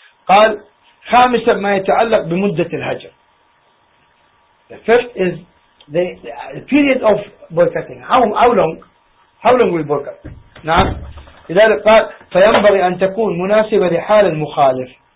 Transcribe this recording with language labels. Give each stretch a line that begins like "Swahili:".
Arabic: قال خامسا ما يتعلق بمدة الهجر.
English: The first is the period of boycotting. How long will boycott? نعم.
Arabic: لذلك قال فينبغي أن تكون مناسبة لحال المخالف.